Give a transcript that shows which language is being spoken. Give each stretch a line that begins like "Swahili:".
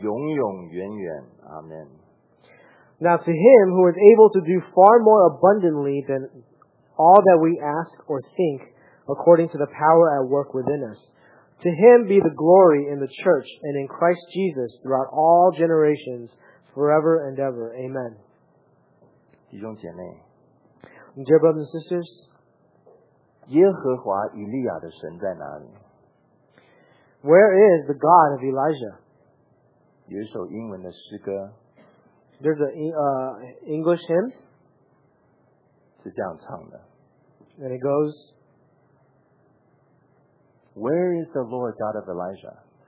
Chinese: 但愿他在教会中，并在基督耶稣里得到荣耀，直到世世代代，永永远远。阿门。
English: Now to him who is able to do far more abundantly than all that we ask or think, according to the power at work within us, to him be the glory in the church and in Christ Jesus throughout all generations, forever and ever. Amen.
Chinese: 弟兄姐妹，
English: Dear brothers and sisters,
Chinese: 耶和华以利亚的神在哪里？
English: Where is the God of Elijah?
Chinese: 有一首英文的诗歌。
English: There's an English hymn.
Chinese: 是这样唱的。
English: And it goes, Where is the Lord God of Elijah?